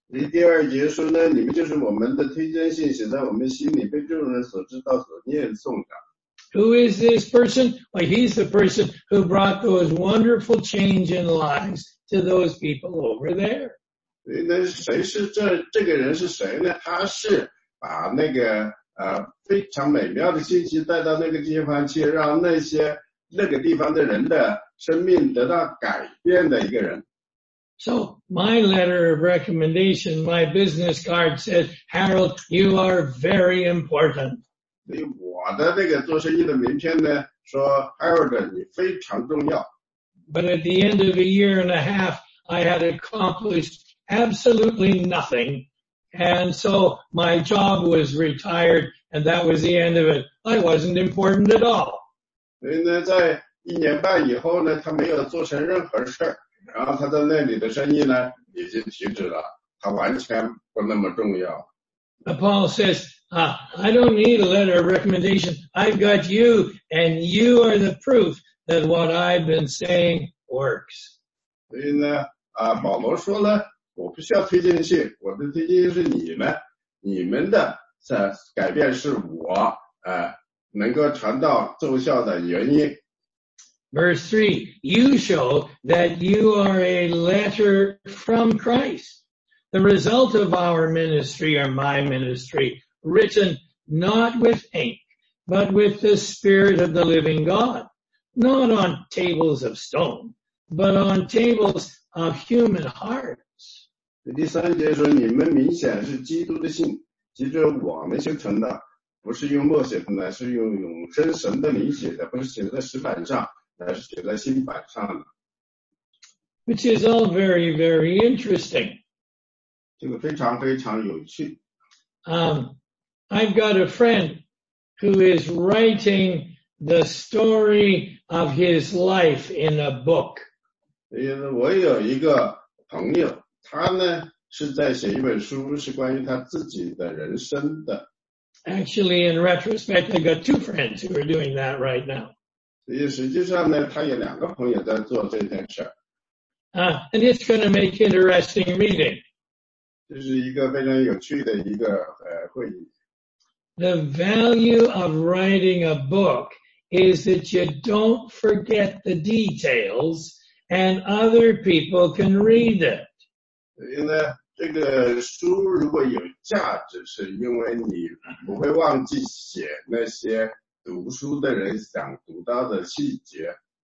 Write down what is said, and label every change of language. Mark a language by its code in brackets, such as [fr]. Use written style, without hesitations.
[zh] 第二节说呢，你们就是我们的推荐信，写在我们心里，被众人所知道，所念诵的。 [en] Who is this person? Well, he's the person who brought those wonderful change in lives to those people over there. [zh] 那谁是这个人是谁呢？他是把那个非常美妙的信息带到那个地方去，让那些那个地方的人的生命得到改变的一个人。 [en] So my letter of recommendation, my business card says, Harold, you are very important. [zh] 所以我的那个做生意的名片呢，说 Harold, 你非常重要。 [en] But at the end of a year and a half, I had accomplished. Absolutely nothing. And so my job was retired and that was the end of it. I wasn't important at all. [zh] 所以呢，在一年半以后呢，他没有做成任何事，然后他在那里的生意呢已经停止了，他完全不那么重要。 [en] Paul says, I don't need a letter of recommendation. I've got you and you are the proof that what I've been saying works. [zh] 所以呢，保罗说呢，我不需要推荐信，我的推荐信是你们，你们的改变是我能够传道奏效的原因。 [en] Verse 3, you show that you are a letter from Christ. The result of our ministry or my ministry, written not with ink, but with the Spirit of the living God. not on tables of stone, but on tables of human hearts. [zh] 第三节说你们明显是基督的信，基督我们形成的，不是用墨写的，乃是用永生神的灵写的，不是写在石板上，乃是写在心板上的。 [en] Which is all very, very interesting. [zh] 这个非常非常有趣。 [en] I've got a friend who is writing the story of his life in a book. [zh] 我有一个朋友，他呢是在写一本书，是关于他自己的人生的。 [en] Actually, in retrospect, I've got two friends who are doing that right now. [zh] 所以实际上呢，他有两个朋友在做这件事。 [en] And it's going to make interesting reading. [zh] 这是一个非常有趣的一个会议。 [en] The value of writing a book is that you don't forget the details and other people can read it. [zh] 因为这个书如果有价值，是因为你不会忘记写那些读书的人想读到的细节。